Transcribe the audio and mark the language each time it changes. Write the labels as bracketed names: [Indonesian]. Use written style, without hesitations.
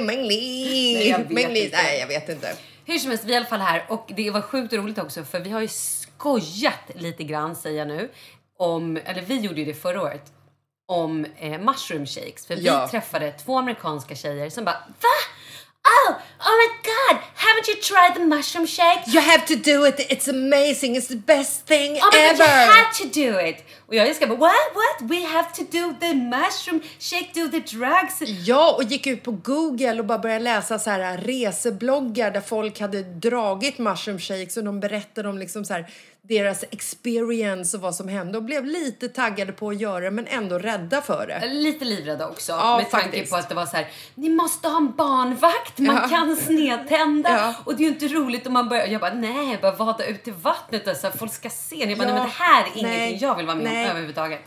[Swedish] Mengli! Nej, jag vet inte. Hur som helst, vi är i alla fall här. Och det var sjukt roligt också, för vi har ju skojat lite grann, säger jag nu. Eller vi gjorde ju det förra året. Om mushroom shakes. För ja, vi träffade två amerikanska tjejer som bara, va? [English] Oh my god, haven't you tried the mushroom shake? You have to do it, it's amazing, it's the best thing ever. Oh my god, you had to do it. [Swedish] Och jag ska bara, [English] what? We have to do the mushroom shake, do the drugs. [Swedish] Ja, och gick ut på Google och bara började läsa så här resebloggar där folk hade dragit mushroom shakes och de berättade om liksom så här deras experience och vad som hände och blev lite taggade på att göra men ändå rädda för det. Lite livrädda också, ja, med faktiskt. Tanke på att det var så här, ni måste ha en barnvakt, man ja, kan snedtända ja, och det är ju inte roligt om man börjar, jag bara nej, bara vada ut i vattnet och så här, folk ska se, jag bara, ja, nej, men det här är ingenting jag vill vara med om överhuvudtaget.